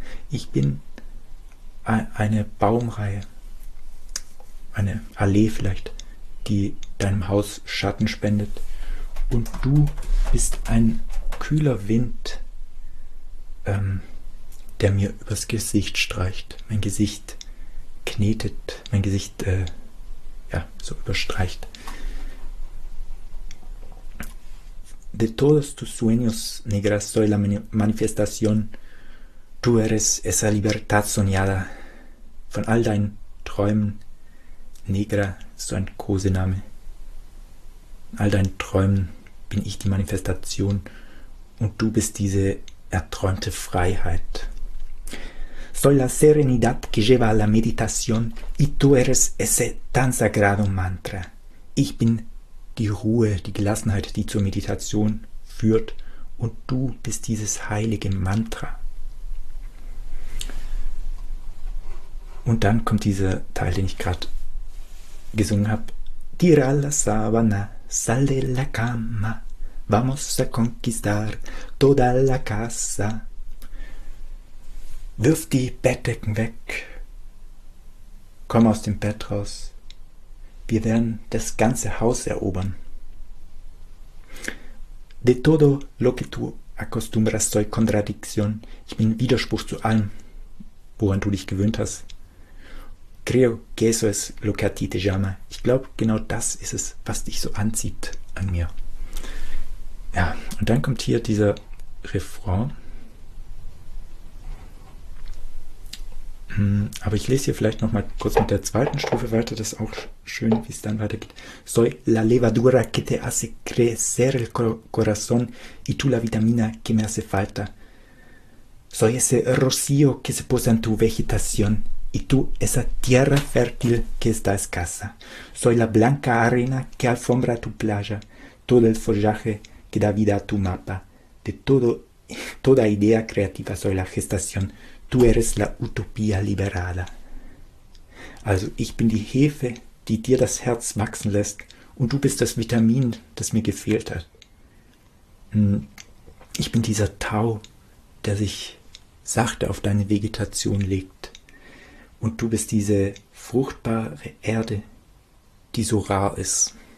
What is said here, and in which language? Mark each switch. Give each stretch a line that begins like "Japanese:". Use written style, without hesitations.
German: Ich bin eine Baumreihe, eine Allee vielleicht, die deinem Haus Schatten spendet. Und du bist ein kühler Wind, der mir übers Gesicht streicht, mein Gesicht knetet, mein Gesicht ja, so überstreicht.
Spanish: De todos tus sueños, negra, soy la manifestación. Tú eres esa libertad soñada.
German: Von all deinen Träumen, negra, so ein Kosename. In all deinen Träumen bin ich die Manifestation und du bist diese erträumte Freiheit.
Spanish: Soy la serenidad que lleva a la meditación y tú eres ese tan sagrado mantra.
German: Ich bin die Ruhe, die Gelassenheit, die zur Meditation führt. Und du bist dieses heilige Mantra. Und dann kommt dieser Teil, den ich gerade gesungen habe.
Spanish: Tira la sábana, sal de la cama, vamos a conquistar toda la casa.
German: Wirf die Bettdecken weg, komm aus dem Bett raus. Wir werden das ganze Haus erobern.
Spanish: De todo lo que tú acostumbras soy contradicción.
German: Ich bin Widerspruch zu allem, woran du dich gewöhnt hast.
Spanish: Creo que eso es lo que a ti te llama.
German: Ich glaube, genau das ist es, was dich so anzieht an mir. Ja, und dann kommt hier dieser Refrain. Aber ich lese hier vielleicht noch mal kurz mit der zweiten Strophe weiter, das ist auch schön, wie es dann weitergeht.
Spanish: Soy la levadura que te hace crecer el corazón y tú la vitamina que me hace falta. Soy ese rocío que se posa en tu vegetación y tú esa tierra fértil que está escasa. Soy la blanca arena que alfombra tu playa, todo el follaje que da vida a tu mapa. De todo, toda idea creativa soy la gestación. Tú eres la utopía liberada.
German: Also, ich bin die Hefe, die dir das Herz wachsen lässt, und du bist das Vitamin, das mir gefehlt hat. Ich bin dieser Tau, der sich sachte auf deine Vegetation legt. Und du bist diese fruchtbare Erde, die so rar ist.